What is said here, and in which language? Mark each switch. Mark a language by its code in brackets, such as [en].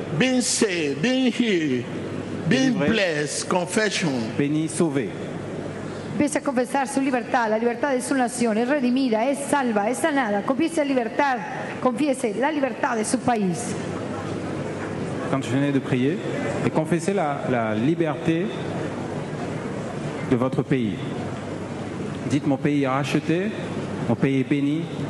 [en] being saved, being healed, being délivré, blessed, confession, [fr] béni, sauvé. [es] Empieza a confesar su libertad, la libertad de su nación, es redimida, es salva, es sanada. Confiese la libertad, confiese la libertad de su país. [fr] Continuez de prier et confessez la liberté de votre pays. Dites mon pays est racheté, mon pays est béni.